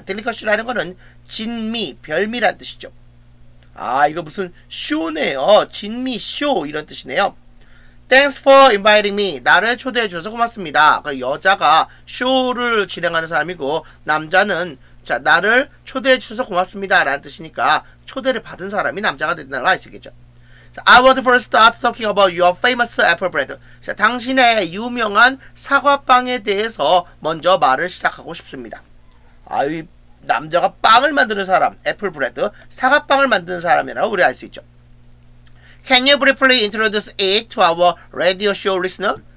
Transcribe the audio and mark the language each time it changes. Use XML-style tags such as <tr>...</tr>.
<ko>Delicacy라는 거는 진미, 별미란 뜻이죠. 아, 이거 무슨 쇼네요. 진미 쇼 이런 뜻이네요.</ko> <en>Thanks for inviting me.</en> <ko>나를 초대해 주셔서 고맙습니다. 그 여자가 쇼를 진행하는 사람이고 남자는 자, 나를 초대해 주셔서 고맙습니다. 라는 뜻이니까 초대를 받은 사람이 남자가 된다는 거 아시겠죠?</ko> <en>I would first start talking about your famous apple bread.</en> <ko>자, 당신의 유명한 사과빵에 대해서 먼저 말을 시작하고 싶습니다. 아, 이 남자가 빵을 만드는 사람, 애플 브레드, 사과빵을 만드는 사람이라고 우리 알 수 있죠.</ko> <en>Can you briefly introduce it to our radio show listener?</en>